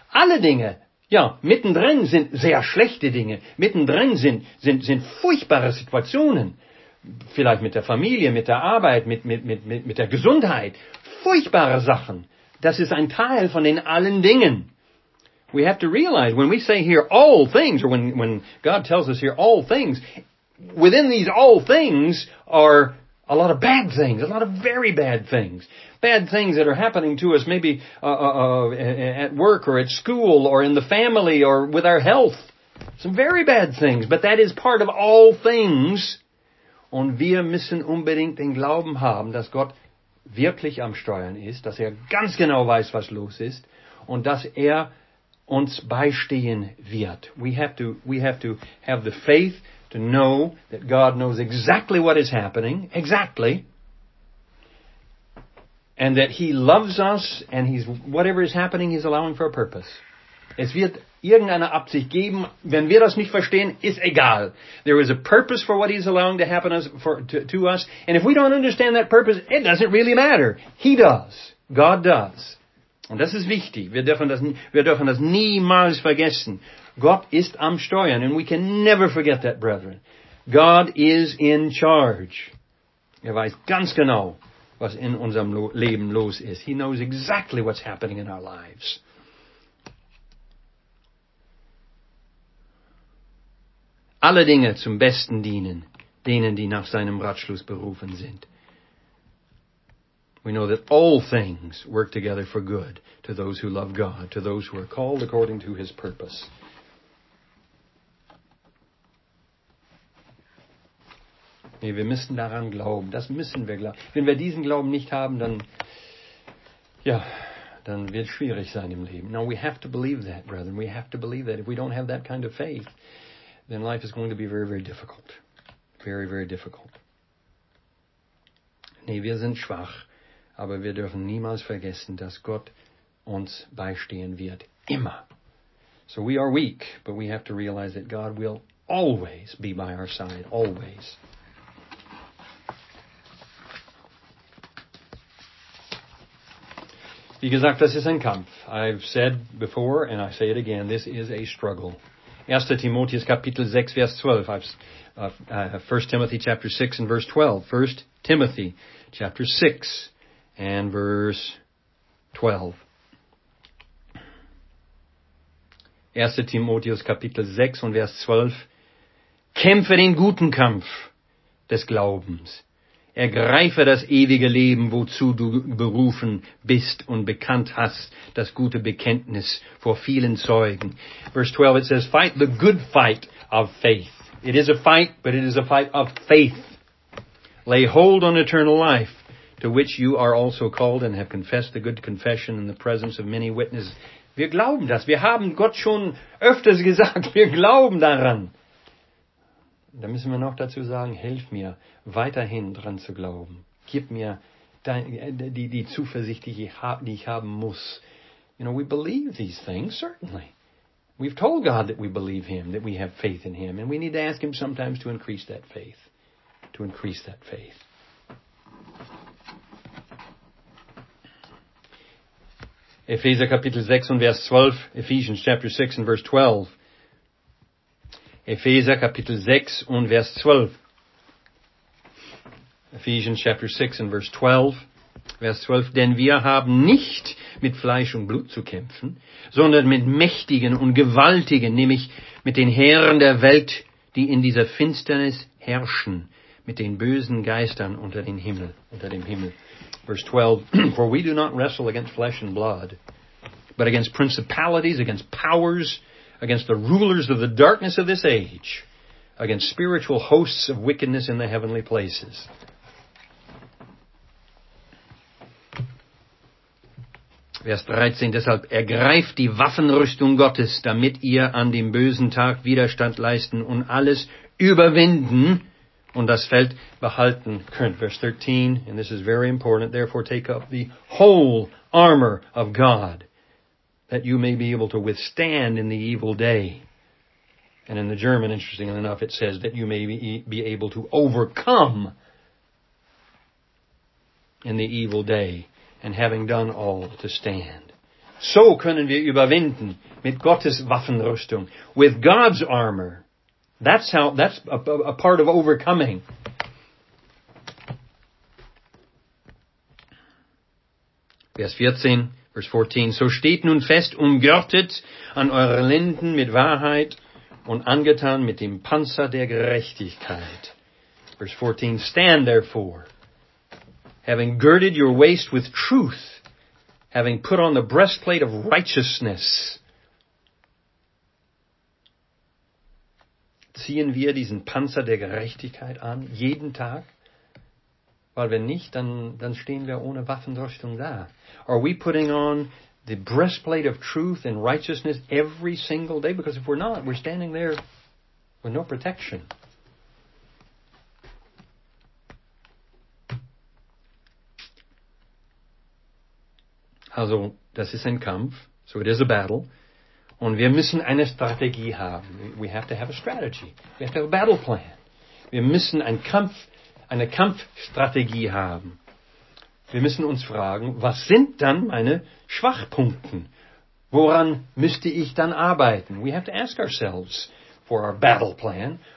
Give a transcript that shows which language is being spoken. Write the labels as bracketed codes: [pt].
[de] Alle Dinge, ja, mittendrin sind sehr schlechte Dinge. Mittendrin sind furchtbare Situationen. Vielleicht mit der Familie, mit der Arbeit, mit der Gesundheit. Furchtbare Sachen. Das ist ein Teil von den allen Dingen. [en] We have to realize, when we say here all things, or when God tells us here all things, within these all things are a lot of bad things, a lot of very bad things. Bad things that are happening to us, maybe at work or at school or in the family or with our health. Some very bad things, but that is part of all things. [de] Und wir müssen unbedingt den Glauben haben, dass Gott wirklich am Steuern ist, dass er ganz genau weiß, was los ist, und dass er uns beistehen wird. [en] We have to have the faith to know that God knows exactly what is happening, exactly, and that he loves us, and he's whatever is happening, he's allowing for a purpose. [de] Es wird irgendeine Absicht geben. Wenn wir das nicht verstehen, ist egal. [en] There is a purpose for what he's allowing to happen to us. And if we don't understand that purpose, it doesn't really matter. He does. God does. [de] Und das ist wichtig. Wir dürfen das niemals vergessen. Gott ist am Steuern. [en] And we can never forget that, brethren. God is in charge. [de] Er weiß ganz genau, was in unserem Leben los ist. [en] He knows exactly what's happening in our lives. [de] Alle Dinge zum Besten dienen, denen, die nach seinem Ratschluss berufen sind. [en] We know that all things work together for good to those who love God, to those who are called according to his purpose. [de] Nee, wir müssen daran glauben. Das müssen wir glauben. Wenn wir diesen Glauben nicht haben, dann, ja, dann wird es schwierig sein im Leben. [en] No, we have to believe that, brethren. We have to believe that. If we don't have that kind of faith, then life is going to be very, very difficult. Very, very difficult. [de] Nee, wir sind schwach, aber wir dürfen niemals vergessen, dass Gott uns beistehen wird. Immer. [en] So we are weak, but we have to realize that God will always be by our side. Always. [de] Wie gesagt, das ist ein Kampf. [en] I've said before, and I say it again, this is a struggle. 1. [de] Timotheus Kapitel 6, Vers 12. [en] 1. Timothy chapter 6 and verse 12. 1. Timothy chapter 6 and verse 12. [de] 1. Timotheus Kapitel 6 und Vers 12. Kämpfe den guten Kampf des Glaubens. Ergreife das ewige Leben, wozu du berufen bist und bekannt hast, das gute Bekenntnis vor vielen Zeugen. [en] Verse 12, it says, fight the good fight of faith. It is a fight, but it is a fight of faith. Lay hold on eternal life, to which you are also called and have confessed the good confession in the presence of many witnesses. [de] Wir glauben das. Wir haben Gott schon öfters gesagt, wir glauben daran. Da müssen wir noch dazu sagen, helf mir, weiterhin dran zu glauben. Gib mir die Zuversicht, die ich haben muss. [en] You know, we believe these things, certainly. We've told God that we believe him, that we have faith in him. And we need to ask him sometimes to increase that faith. To increase that faith. [de] Epheser Kapitel 6 und Vers 12. [en] Ephesians chapter 6 and verse 12. [de] Epheser Kapitel 6 und Vers 12. [en] Ephesians chapter 6 and verse 12. [de] Vers 12. Denn wir haben nicht mit Fleisch und Blut zu kämpfen, sondern mit Mächtigen und Gewaltigen, nämlich mit den Herren der Welt, die in dieser Finsternis herrschen, mit den bösen Geistern unter den Himmel, unter dem Himmel. [en] Verse 12. For we do not wrestle against flesh and blood, but against principalities, against powers, against the rulers of the darkness of this age, against spiritual hosts of wickedness in the heavenly places. [de] Vers 13, deshalb ergreift die Waffenrüstung Gottes, damit ihr an dem bösen Tag Widerstand leisten und alles überwinden und das Feld behalten könnt. [en] Vers 13, and this is very important, therefore take up the whole armor of God, that you may be able to withstand in the evil day. And in the German, interestingly enough, it says that you may be able to overcome in the evil day. And having done all to stand. [de] So können wir überwinden mit Gottes Waffenrüstung. [en] With God's armor. That's how, that's a part of overcoming. [de] Vers 14. So steht nun fest umgürtet an eure Lenden mit Wahrheit und angetan mit dem Panzer der Gerechtigkeit. [en] Verse 14. Stand therefore. Having girded your waist with truth, having put on the breastplate of righteousness. [de] Ziehen wir diesen Panzer der Gerechtigkeit an, jeden Tag? Weil wenn nicht, dann stehen wir ohne Waffenrüstung da. [en] Are we putting on the breastplate of truth and righteousness every single day? Because if we're not, we're standing there with no protection. [de] Also, das ist ein Kampf. [en] So it is a battle. [de] Und wir müssen eine Strategie haben. [en] We have to have a strategy. We have to have a battle plan. [de] Wir müssen eine Kampfstrategie haben. Wir müssen uns fragen, was sind dann meine Schwachpunkten? Woran müsste ich dann arbeiten? [en] We have to ask ourselves for our battle plan.